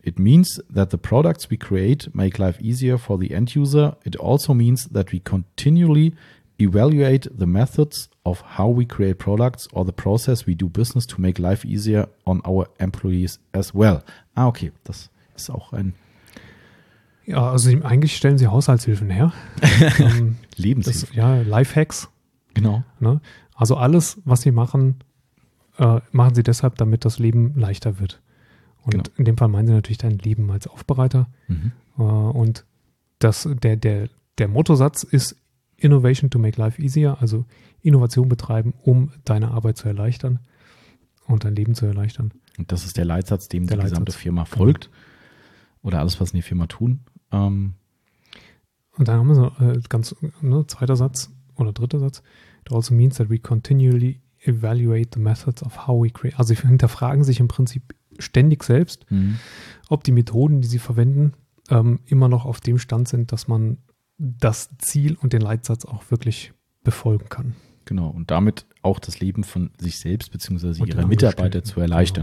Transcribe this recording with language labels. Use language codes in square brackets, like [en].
[en] It means that the products we create make life easier for the end user. It also means that we continually evaluate the methods of how we create products or the process we do business to make life easier on our employees as well. [de] Ah, okay, das ist auch ein... Ja, also eigentlich stellen sie Haushaltshilfen her. Lebenshilfen. Ja, Lifehacks. Genau. Ne? Also alles, was sie machen, machen sie deshalb, damit das Leben leichter wird. Und genau. In dem Fall meinen sie natürlich dein Leben als Aufbereiter. Mhm. Und das, der Mottosatz ist [en] Innovation to make life easier, [de] also Innovation betreiben, um deine Arbeit zu erleichtern und dein Leben zu erleichtern. Und das ist der Leitsatz, dem die gesamte Firma folgt. Genau. Oder alles, was in der Firma tun. Und dann haben wir so ganz, ne, zweiter Satz oder dritter Satz. [en] It also means that we continually evaluate the methods of how we create. [de] Also sie hinterfragen sich im Prinzip ständig selbst, ob die Methoden, die sie verwenden, immer noch auf dem Stand sind, dass man das Ziel und den Leitsatz auch wirklich befolgen kann. Genau, und damit auch das Leben von sich selbst bzw. ihrer Mitarbeiter zu erleichtern.